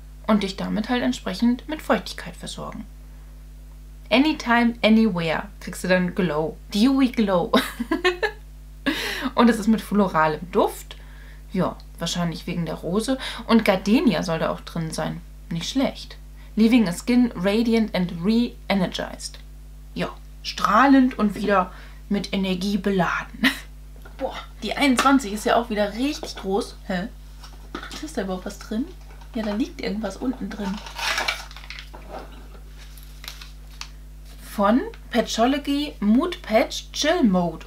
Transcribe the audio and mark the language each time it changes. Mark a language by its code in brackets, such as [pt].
[de] Und dich damit halt entsprechend mit Feuchtigkeit versorgen. [en] Anytime, anywhere [de] kriegst du dann Glow. [en] Dewy Glow. [de] Und es ist mit floralem Duft. Ja, wahrscheinlich wegen der Rose. Und Gardenia soll da auch drin sein. Nicht schlecht. [en] leaving a skin radiant and re-energized. [de] Ja, strahlend und wieder mit Energie beladen. Boah, die 21 ist ja auch wieder richtig groß. Hä? Ist da überhaupt was drin? Ja, da liegt irgendwas unten drin. Von Patchology Mood Patch Chill Mode.